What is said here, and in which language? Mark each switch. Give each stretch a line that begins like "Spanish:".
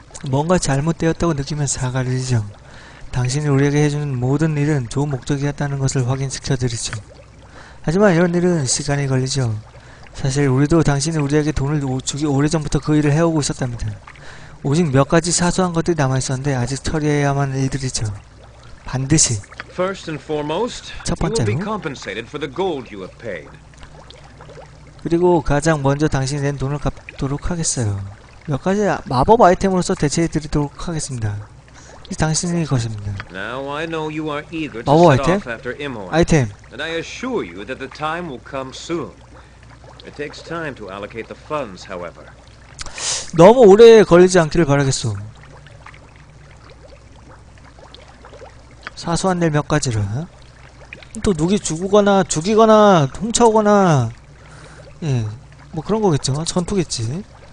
Korean: 뭔가 잘못되었다고 느끼면 사과드리죠. 당신이 우리에게 해주는 모든 일은 좋은 목적이었다는 것을 확인시켜드리죠. 하지만 이런 일은 시간이 걸리죠. 사실 우리도 당신이 우리에게 돈을 주기 오래전부터 그 일을 해오고 있었답니다. 오직 몇 가지 사소한 것들이 남아있었는데 아직 처리해야만 일들이죠. 반드시.
English: First and foremost,
Korean: 첫 번째로.
English: You will be compensated for the gold you have paid.
Korean: 그리고 가장 먼저 당신이 낸 돈을 갚도록 하겠어요. 몇 가지 마법 아이템으로서 대체해드리도록 하겠습니다. 당신의 것입니다. 마법 아이템? 아이템.
English: And I assure you that the time will come soon. It takes time to allocate the funds, however.
Korean: 너무 오래 걸리지 않기를 바라겠소. 사소한 일 몇 가지를. 또 누구 죽거나 죽이거나 훔쳐오거나 예, 뭐 그런 거겠죠. 전투겠지.